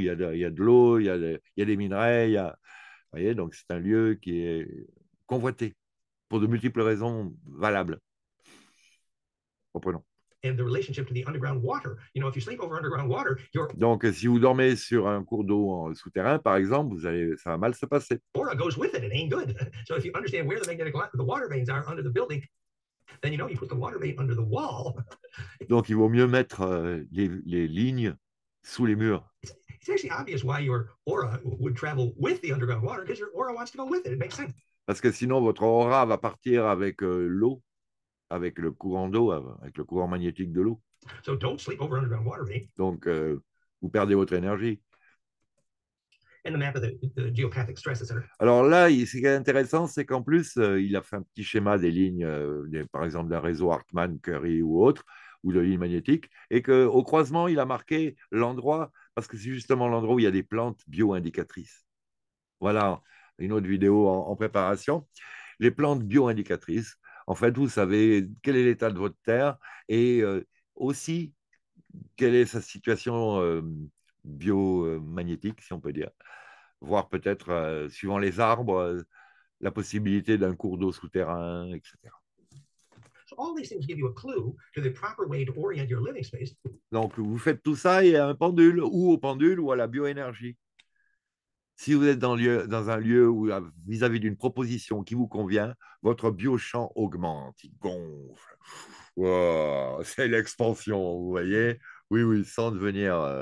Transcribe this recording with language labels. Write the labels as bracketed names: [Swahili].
[French] Il y a de l'eau, il y a des minerais. Vous voyez, donc c'est un lieu qui est convoité pour de multiples raisons valables. Reprenons. [English] And the relationship to the underground water. You know, if you sleep over underground water, you're. [French] Donc, si vous dormez sur un cours d'eau en souterrain, par exemple, ça va mal se passer. [English] Aura goes with it. It ain't good. So if you understand where the magnetic the water veins are under the building, then you know you put the water vein under the wall. [French] Donc, il vaut mieux mettre les lignes sous les murs. [English] It's actually obvious why your aura would travel with the underground water, because your aura wants to go with it. It makes sense. [French] Parce que sinon, votre aura va partir avec l'eau, avec le courant d'eau, avec le courant magnétique de l'eau. [English] So don't sleep over underground water, eh? [French] Donc, vous perdez votre énergie. [English] And the map of the geopathic stress center. [French] Alors là, ce qui est intéressant, c'est qu'en plus, il a fait un petit schéma des lignes, par exemple, d'un réseau Hartmann, Curry ou autre, ou de lignes magnétiques, et qu'au croisement, il a marqué l'endroit, parce que c'est justement l'endroit où il y a des plantes bio-indicatrices. Voilà une autre vidéo en préparation. Les plantes bio-indicatrices, en fait, vous savez quel est l'état de votre terre et aussi quelle est sa situation biomagnétique, si on peut dire, voire peut-être, suivant les arbres, la possibilité d'un cours d'eau souterrain, etc. [English] So all these things give you a clue to the proper way to orient your living space. [French] Donc, vous faites tout ça et à un pendule, ou au pendule, ou à la bioénergie. Si vous êtes dans un lieu où, vis-à-vis d'une proposition qui vous convient, votre biochamp augmente, il gonfle. Wow, c'est l'expansion, vous voyez. Oui, oui, sans devenir...